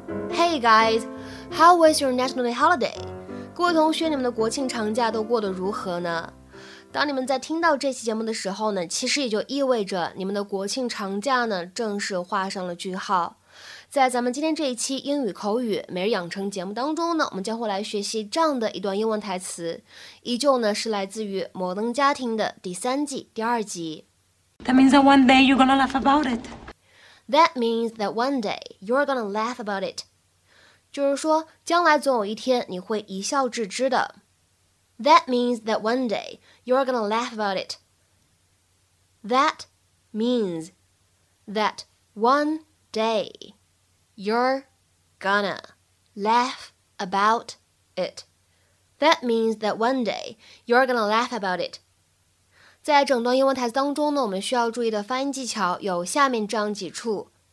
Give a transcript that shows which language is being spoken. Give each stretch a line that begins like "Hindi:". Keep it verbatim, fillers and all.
English: Hey guys, how was your National Day holiday?
Chinese: 各位同学，你们的国庆长假都过得如何呢？当你们在听到这期节目的时候呢，其实也就意味着你们的国庆长假呢正式画上了句号。在咱们今天这一期英语口语每日养成节目当中呢，我们将会来学习这样的一段英文台词，依旧呢是来自于《摩登家庭》的第三季第二集。
English: That means that one day you're gonna laugh about it. That means that one day you're gonna laugh about it.
Chinese: 就是说，将来总有一天你会一笑置之的。
English: That means that one day you're gonna laugh about it. That means that one day you're gonna laugh about it. That means that one day you're gonna laugh about it.
Chinese: 在整段英文台词当中呢，我们需要注意的发音技巧有下面这样几处。